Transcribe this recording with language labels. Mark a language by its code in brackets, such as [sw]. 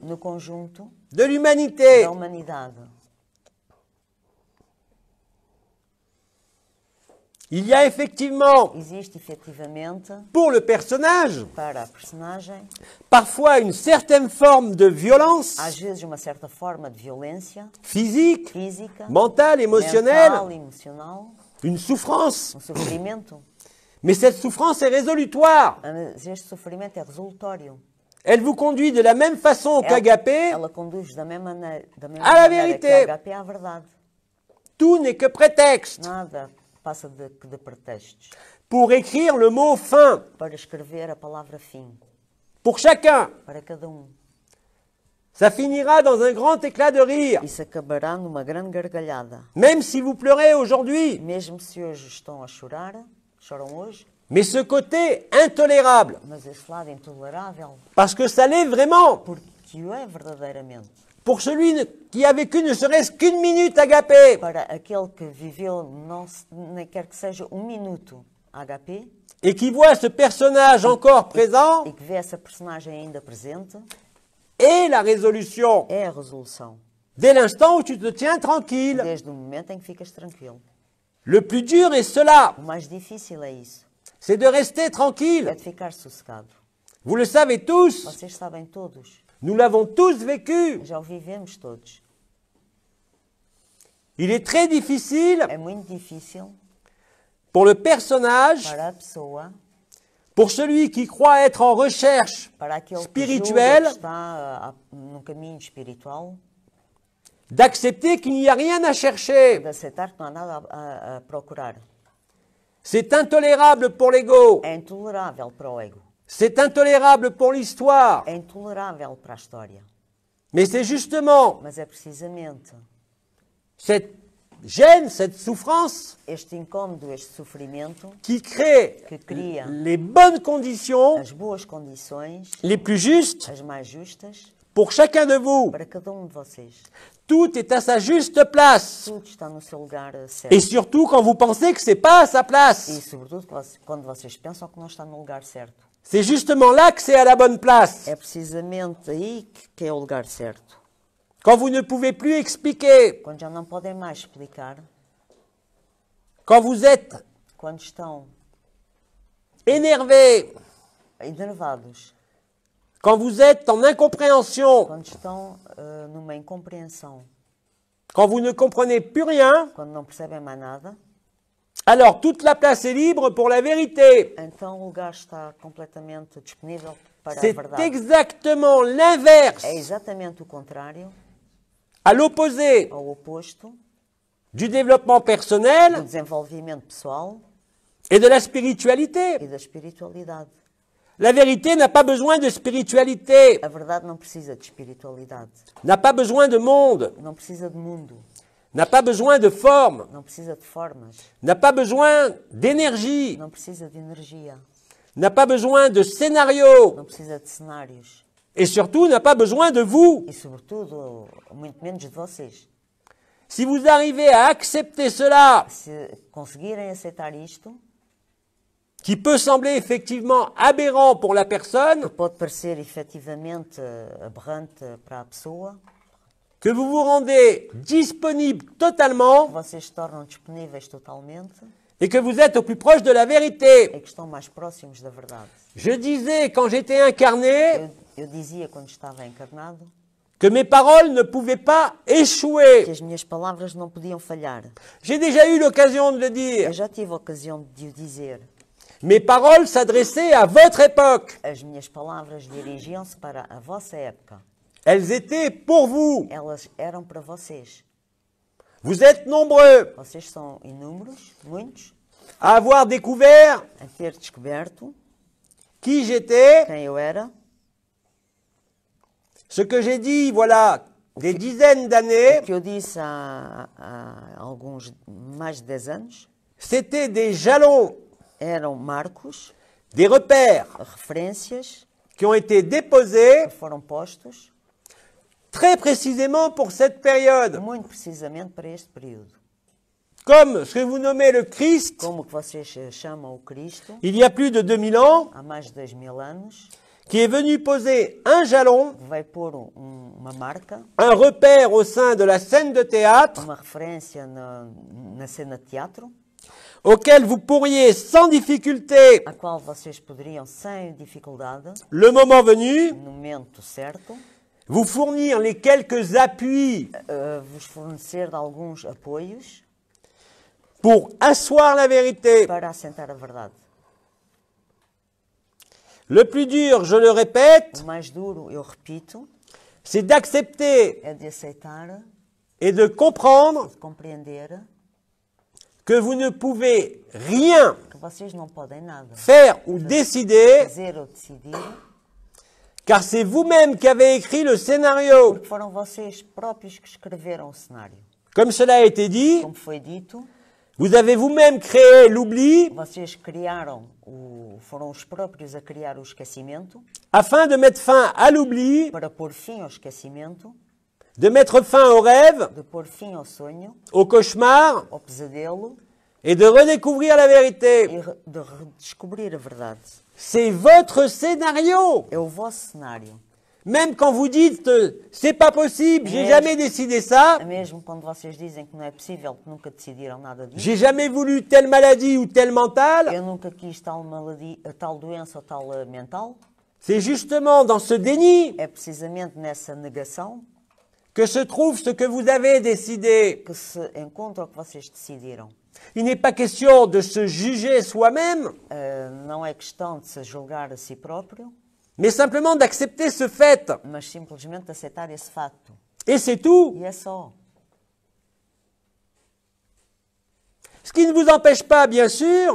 [pt] no conjunto, [fr] de l'humanité, [pt] da humanidade. [fr] Il y a effectivement, [pt] existe efetivamente, [fr] pour le personnage, [pt] para a personagem, [fr] parfois une certaine forme de violence, [pt] às vezes uma certa forma de violência, [fr] physique, [pt] física, [fr] mentale, émotionnelle, [pt] mental, emocional, [fr] une souffrance, [pt] um sofrimento, [fr] mais cette souffrance est résolutoire, [pt] mas este sofrimento é resolutório. [fr] Elle vous conduit de la même façon qu'agapé, [pt] ela conduz da mesma maneira, [fr] à la vérité, [pt] que agapé, à verdade. [fr] Tout n'est que prétexte. [pt] Nada. Passa de pretextos. [fr] Pour écrire le mot fin. [pt] Para escrever a palavra fim. [fr] Pour chacun. [pt] Para cada [fr] Ça finira dans un grand éclat de rire. [pt] Isso acabará numa grande gargalhada. [fr] Même si vous pleurez aujourd'hui. [pt] Mesmo se hoje estão a chorar, choram hoje. [fr] Mais ce côté intolérable. [pt] Mas esse lado intolérável. [fr] Parce que ça l'est vraiment. [pt] Porque o é verdadeiramente. [fr] Pour celui qui a vécu ne serait-ce qu'une minute agapé. [pt] Para aquele que viveu não nem quer que seja minuto agapé. [fr] Et qui voit ce personnage encore présent. [pt] E que vê essa personagem ainda presente. [fr] Et la résolution. [pt] É a resolução. [fr] Dès l'instant où tu te tiens tranquille. [pt] Desde o momento em que ficas tranquilo. [fr] Le plus dur est cela. [pt] O mais difícil é isso. [fr] C'est de rester tranquille. [pt] É de ficar sossegado. [fr] Vous le savez tous. [pt] Vocês sabem todos. [fr] Nous l'avons tous vécu. [pt] Já o vivemos todos. [fr] Il est très difficile. [pt] É muito difícil. [fr] Pour le personnage. [pt] Para a pessoa. [fr] Pour celui qui croit être en recherche. [pt] Para aquele spirituelle, que julga que está no caminho espiritual. [fr] D'accepter qu'il n'y a rien à chercher. [pt] De aceitar que não há nada a procurar. [fr] C'est intolérable pour l'ego. [pt] É intolerável para o ego. [fr] C'est intolérable pour l'histoire. [pt] É intolerável para a história. [fr] Mais c'est justement. [pt] Mas é precisamente. [fr] Cette gêne, cette souffrance, [pt] este incômodo, este sofrimento, [fr] qui crée [pt] que cria [fr] les bonnes conditions, [pt] as boas condições, [fr] les plus justes, [pt] as mais justas, [fr] pour chacun de vous. [pt] Para cada de vocês. [fr] Tout est à sa juste place. [pt] Tudo está no seu lugar certo. [fr] Et surtout quand vous pensez que ce n'est pas à sa place. [pt] E sobretudo quando vocês pensam que não está no lugar certo. [fr] C'est justement là que c'est à la bonne place. [pt] É precisamente aí que é o lugar certo. [fr] Quand vous ne pouvez plus expliquer. [pt] Quando já não podem mais explicar. [fr] Quand vous êtes. [pt] Quando estão. [fr] Énervés. [pt] Énervados. [fr] Quand vous êtes en incompréhension. [pt] Quando estão numa incompreensão. [fr] Quand vous ne comprenez plus rien. [pt] Quando não percebem mais nada. [fr] Alors toute la place est libre pour la vérité. [pt] Então o lugar está completamente disponível para [fr] c'est [pt] a verdade. [fr] C'est exactement l'inverse. [pt] É exatamente o contrário. [fr] À l'opposé. [pt] Ao oposto. [fr] Du développement personnel. [pt] Do desenvolvimento pessoal. [fr] Et de la spiritualité. [pt] E da espiritualidade. [fr] La vérité n'a pas besoin de spiritualité. [pt] A verdade não precisa de espiritualidade. [fr] N'a pas besoin de monde. [pt] Não precisa de mundo. [fr] N'a pas besoin de forme. [pt] Não precisa de formas. [fr] N'a pas besoin d'énergie. [pt] Não precisa de energia. [fr] N'a pas besoin de scénario. [pt] Não precisa de cenários. [fr] Et surtout n'a pas besoin de vous. [pt] E sobretudo, muito menos de vocês. [fr] Si vous arrivez à accepter cela. [pt] Se conseguirem aceitar isto. [fr] Qui peut sembler effectivement aberrant pour la personne, [pt] que pode parecer efetivamente aberrante para a pessoa, [fr] que vous vous rendez disponible totalement, [pt] vocês se tornam disponíveis totalmente, [fr] et que vous êtes au plus proche de la vérité, [pt] e que estão mais próximos da verdade. [fr] Je disais quand j'étais incarné, [pt] eu dizia quando estava encarnado, [fr] que mes paroles ne pouvaient pas échouer. [pt] Que as minhas palavras não podiam falhar. [fr] J'ai déjà eu l'occasion de le dire. [pt] Eu já tive a ocasião de o dizer. [fr] Mes paroles s'adressaient à votre époque. [pt] As minhas palavras dirigiam-se para a vossa época. [fr] Elles étaient pour vous. [pt] Elas eram para vocês. [fr] Vous êtes nombreux. [pt] Vocês são inúmeros, muitos. [fr] À avoir découvert. [pt] A ter descoberto. [fr] Qui j'étais. [pt] Quem eu era. [fr] Ce que j'ai dit, voilà, des dizaines d'années. [pt] O que eu disse há alguns mais de 10 anos. [fr] C'était des jalons. [pt] Eram marcos, [fr] des repères, [pt] referências, [fr] qui ont été déposés, [pt] que foram postos, [fr] très précisément pour cette période. [pt] Muito precisamente para este período. [fr] Comme ce que vous nommez le Christ, [pt] como que vocês chamam o Cristo, [fr] il y a plus de 2000 ans, [pt] há mais de 2000 anos, [fr] qui est venu poser un jalon, [pt] vai pôr uma marca, [fr] un repère au sein de la scène de théâtre, [pt] uma referência na cena de teatro, [fr] auquel vous pourriez sans difficulté, [pt] à qual vocês poderiam sem dificuldade, [fr] le moment venu, [pt] no momento certo, [fr] vous fournir les quelques appuis, [pt] vous fornecer alguns apoios, [fr] pour asseoir la vérité, [pt] para assentar a verdade. [fr] Le plus dur, je le répète, [pt] o mais duro, eu repito, [fr] c'est d'accepter, [pt] é de aceitar, [fr] et de comprendre, [pt] de compreender, [fr] que vous ne pouvez rien [pt] que vocês não podem nada [fr] faire ou décider, [pt] fazer ou decidir, [fr] car c'est vous-même qui avez écrit le scénario. [pt] Porque foram vocês próprios que escreveram o cenário. [fr] Comme cela a été dit, [pt] como foi dito, [fr] vous avez vous-même créé l'oubli, [pt] vocês criaram, foram os próprios a criar o esquecimento, [fr] afin de mettre fin à l'oubli, [pt] para pôr fim ao esquecimento, [fr] de mettre fin au rêve, [pt] de pôr fim ao sonho, [fr] au cauchemar, [pt] ao pesadelo, [fr] et de redécouvrir la vérité. [pt] E de redescobrir a verdade. [fr] C'est votre scénario. [pt] É o vosso cenário. [fr] Même quand vous dites c'est pas possible, j'ai jamais décidé ça. [pt] Mesmo quando vocês dizem que não é possível, que nunca decidiram nada disso. [fr] J'ai jamais voulu telle maladie ou telle mentale. [pt] Eu nunca quis tal maladie, tal doença ou tal mental. [fr] C'est justement dans ce déni. [pt] É precisamente nessa negação. [fr] Que se trouve ce que vous avez décidé. [pt] Que se encontra o que vocês decidiram. [fr] Il n'est pas question de se juger soi-même. [pt] Não é questão de se julgar a si próprio. [fr] Mais simplement d'accepter ce fait. [pt] Mas simplesmente aceitar esse fato. [fr] Et c'est tout. [pt] E é só. [fr] Ce qui ne vous empêche pas, bien sûr.